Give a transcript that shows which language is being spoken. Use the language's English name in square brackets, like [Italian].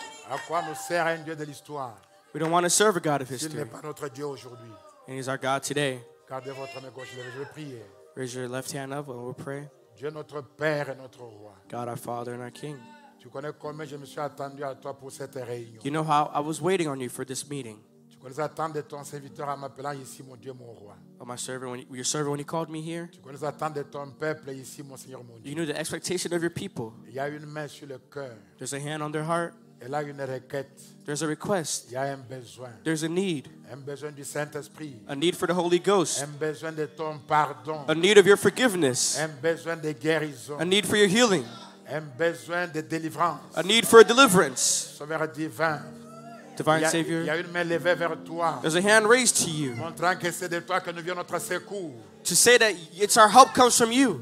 [French] À quoi nous sert un Dieu de l'histoire? [English] We don't want to serve a God of history. [French] S'il n'est pas notre Dieu aujourd'hui. [English] And he's our God today. [French] Gardez votre main gauche, je vais prier. [English] Raise your left hand up and we'll pray. [French] Dieu notre Père et notre Roi. [English] God our Father and our King. [French] Tu connais combien je me suis attendu à toi pour cette réunion. [English] You know how I was waiting on you for this meeting. [French] Tu connais l'attente de ton serviteur en m'appelant ici mon Dieu mon Roi. [English] Oh, my servant, your servant when he called me here. [French] Tu connais l'attente de ton peuple ici mon Seigneur mon Dieu. [English] You know the expectation of your people. [French] Il y a une main sur le cœur. [English] There's a hand on their heart. [French] Et là une requête. [English] There's a request. [French] Il y a un besoin. [English] There's a need. [French] Un besoin du Saint-Esprit. [English] A need for the Holy Ghost. [French] Un besoin de ton pardon. [English] A need of your forgiveness. [French] Un besoin de guérison. [English] A need for your healing. [French] Un besoin de délivrance. [English] A need for a deliverance. [French] Sauveur divin. [English] Divine Savior. [French] Il y a une main levée vers toi. [English] There's a hand raised to you. [French] Montrant que c'est de toi que nous vient notre secours. [English] To say that it's our help comes from you.